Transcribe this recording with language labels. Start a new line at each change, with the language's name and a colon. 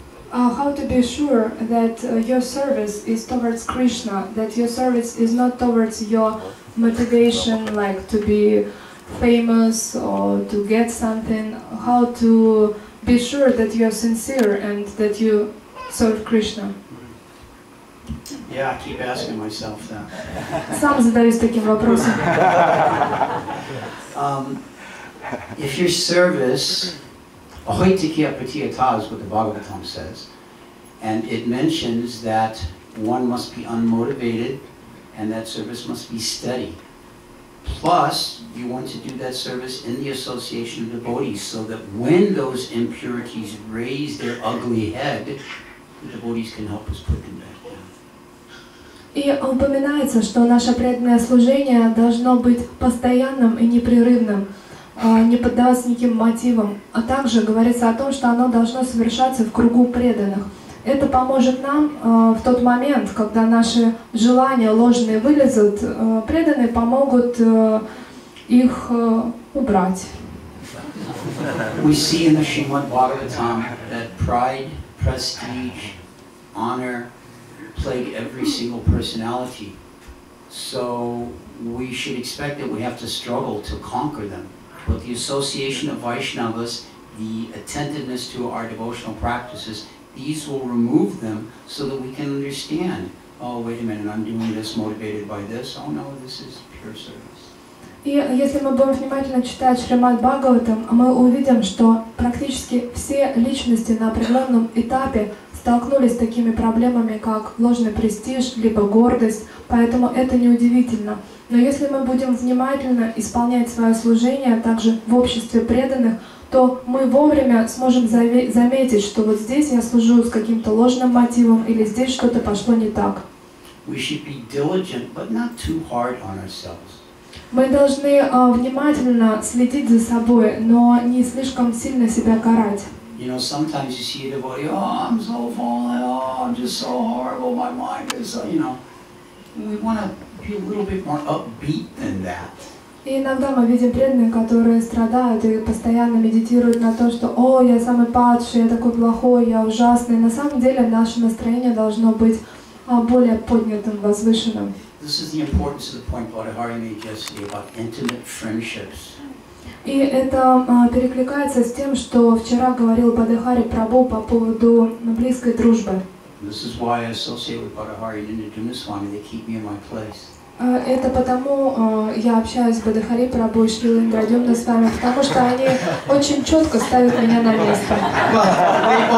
English: How to be sure that your service is towards Krishna, that your service is not towards your motivation, like to be famous or to get something? How to be sure that you are sincere and that you serve Krishna. Yeah, I keep asking myself that.
Russian: Сам задаюсь таким вопросом.
English: If your service, ahoitiki apatiyata is what the Bhagavatam says, and it mentions that one must be unmotivated and that service must be steady. Plus, you want to do that service in the association of devotees, so that when those impurities raise their ugly head, the devotees can help us put them back down.
Russian: И упоминается, что наше преданное служение должно быть постоянным и непрерывным, не поддаваться никаким мотивам. А также говорится о том, что оно должно совершаться в кругу преданных. Это поможет нам в тот момент, когда наши желания ложные вылезут, преданные помогут их убрать.
English: We see in the Srimad Bhagavatam that pride, prestige, honor plague every single personality. So we should expect that we have to struggle to conquer them. But the association of Vaishnavas, the attentiveness to our devotional practices, these will remove them so that we can understand, oh, wait a minute, I'm doing this motivated by this. Oh, no, this is pure service.
Russian: И если мы будем внимательно читать Шримад Бхагаватам, мы увидим, что практически все личности на определенном этапе столкнулись с такими проблемами, как ложный престиж, либо гордость, поэтому это неудивительно. Но если мы будем внимательно исполнять свое служение также в обществе преданных, то мы вовремя сможем заметить, что вот здесь я служу с каким-то ложным мотивом, или здесь что-то пошло не так.
English: We should be diligent, but not too hard on ourselves.
Russian: Мы должны внимательно следить за собой, но не слишком сильно себя карать.
English: You know, sometimes you see the body, oh, I'm so fallen, oh, I'm just so horrible, my mind is, you know. We want to be a little bit more upbeat than that.
Russian: И иногда мы видим преданных, которые страдают и постоянно медитируют на то, что «О, я самый падший, я такой плохой, я ужасный». На самом деле наше настроение должно быть более поднятым, возвышенным.
English: This is the importance of the point Bodhihari made yesterday about intimate friendships.
Russian: И это перекликается с тем, что вчера говорил Бодхихари Прабху по поводу близкой дружбы.
English: This is why I associate with Bodhihari and Indrajana Swami, they keep me in my place.
Russian: Это потому я общаюсь с Бодхихари Прабху и Шрилой Индрадьюмной с вами, потому что они очень четко ставят меня на место.